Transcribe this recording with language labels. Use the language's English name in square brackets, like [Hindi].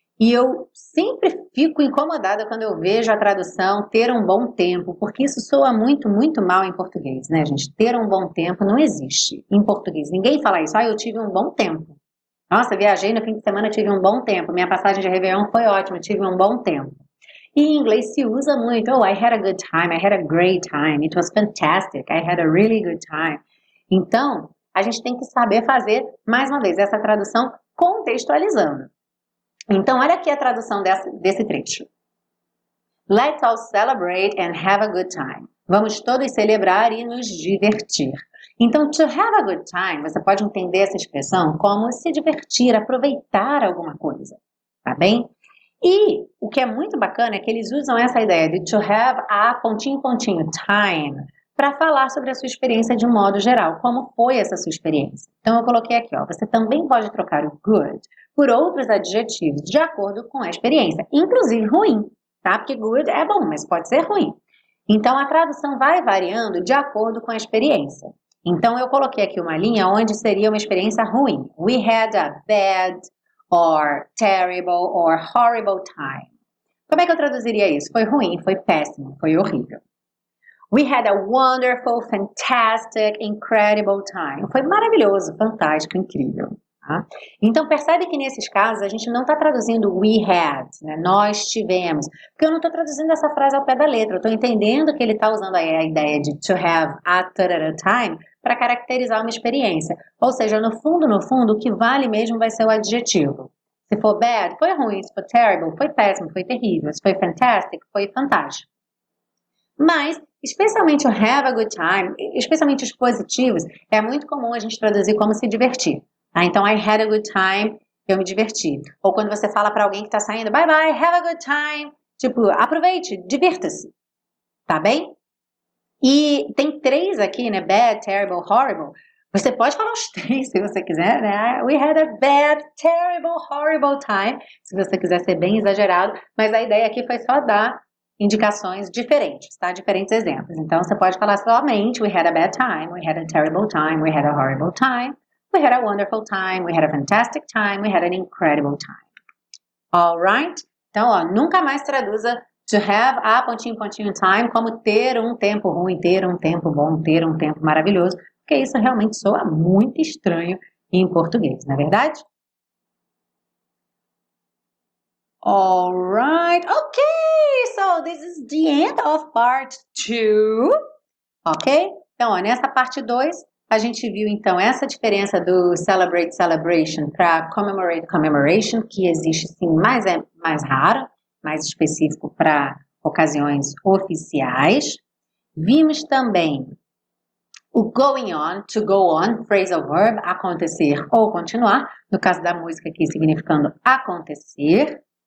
[Portuguese] E eu sempre fico incomodada quando eu vejo a tradução ter um bom tempo, porque isso soa muito, muito mal em português, né, gente? Ter um bom tempo não existe em português. Ninguém fala isso. Ah, eu tive um bom tempo. Nossa, viajei no fim de semana, tive um bom tempo. Minha passagem de Réveillon foi ótima, tive um bom tempo. E em inglês se usa muito. [English] Oh, I had a good time, I had a great time, it was fantastic, I had a really good time. [Portuguese] Então, a gente tem que saber fazer, mais uma vez, essa tradução contextualizando. Então, olha aqui a tradução desse trecho. [English] Let's all celebrate and have a good time. [Portuguese] Vamos todos celebrar e nos divertir. Então, [English] to have a good time, [Portuguese] você pode entender essa expressão como se divertir, aproveitar alguma coisa, tá bem? E o que é muito bacana é que eles usam essa ideia de to have a pontinho, pontinho, time, para falar sobre a sua experiência de modo geral, como foi essa sua experiência. Então eu coloquei aqui, ó, você também pode trocar o good por outros adjetivos de acordo com a experiência, inclusive ruim, tá? Porque good é bom, mas pode ser ruim. Então a tradução vai variando de acordo com a experiência. Então eu coloquei aqui uma linha onde seria uma experiência ruim. [English] We had a bad or terrible or horrible time. [Portuguese] Como é que eu traduziria isso? Foi ruim, foi péssimo, foi horrível. [English] We had a wonderful, fantastic, incredible time. [Portuguese] Foi maravilhoso, fantástico, incrível. Então, percebe que nesses casos a gente não está traduzindo we had, né? Nós tivemos, porque eu não estou traduzindo essa frase ao pé da letra, eu estou entendendo que ele está usando aí a ideia de [English] to have at a time [Portuguese] para caracterizar uma experiência. Ou seja, no fundo, no fundo, o que vale mesmo vai ser o adjetivo. Se for bad, foi ruim, se for terrible, foi péssimo, foi terrível, se foi fantastic, foi fantástico. Mas, especialmente o have a good time, especialmente os positivos, é muito comum a gente traduzir como se divertir. Ah, então, [English] I had a good time, [Portuguese] eu me diverti. Ou quando você fala para alguém que está saindo, [English] bye bye, have a good time. [Portuguese] Tipo, aproveite, divirta-se. Tá bem? E tem três aqui, né? [English] Bad, terrible, horrible. [Portuguese] Você pode falar os três se você quiser, né? [English] We had a bad, terrible, horrible time. [Portuguese] Se você quiser ser bem exagerado. Mas a ideia aqui foi só dar indicações diferentes, tá? Diferentes exemplos. Então, você pode falar somente, [English] we had a bad time, we had a terrible time, we had a horrible time. We had a wonderful time, we had a fantastic time, we had an incredible time. All right? [Portuguese] Então, ó, nunca mais traduza to have a pontinho, pontinho time como ter um tempo ruim, ter um tempo bom, ter um tempo maravilhoso, porque isso realmente soa muito estranho em português, não é verdade? [English] All right. Okay, so this is the end of part two. Okay? [Portuguese] Então, ó, nessa parte 2, a gente viu então essa diferença do celebrate celebration para commemorate commemoration, que existe sim, mas é mais raro, mais específico para ocasiões oficiais. Vimos também o going on, to go on, phrasal verb, acontecer ou continuar, no caso da música aqui significando acontecer.